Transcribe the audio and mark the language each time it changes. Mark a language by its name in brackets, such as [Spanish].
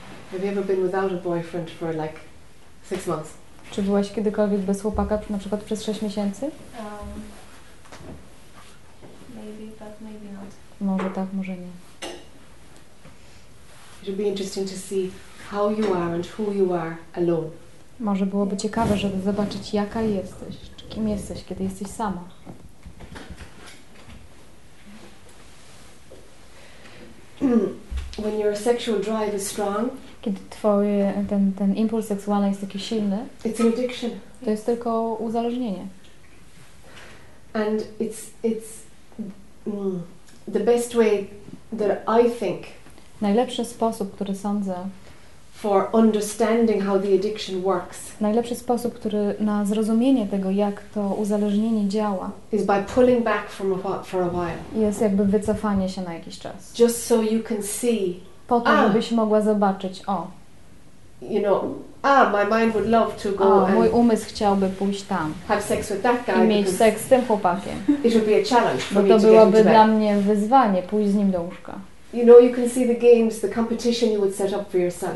[English] Have you ever been without a boyfriend for like 6 months? [Polish] Czy byłaś kiedykolwiek bez chłopaka, na przykład przez 6 miesięcy? [English] Maybe, but maybe not. [Polish] Może tak, może nie. [English] It would be interesting to see how you are and who you are alone. [Polish] Może byłoby ciekawe, żeby zobaczyć, jaka jesteś, kim jesteś, kiedy jesteś sama. [English] When your sexual drive is strong. [Polish] Kiedy twoje ten impuls seksualny jest taki silny. [English] It's an addiction. [Polish] To jest tylko uzależnienie. [English] And it's the best way that I think. [Polish] Najlepszy sposób, który sądzę, [English] for understanding how the addiction works. [Polish] Najlepszy sposób, który na zrozumienie tego, jak to uzależnienie działa, [English] is by pulling back for a while. [Polish] Jest jakby wycofanie się na jakiś czas. [English] Just so you can see. [Polish] Po to, żebyś mogła zobaczyć, o. [English] You know, my mind would love to go. [Polish] Mój umysł chciałby pójść tam. [English] Have sex with that guy. [Polish] I mieć seks z tym chłopakiem. [English] It would be a challenge. [Polish] Bo to byłoby dla mnie wyzwanie, pójść z nim do łóżka. [English] You know, you can see the games, the competition you would set up for yourself.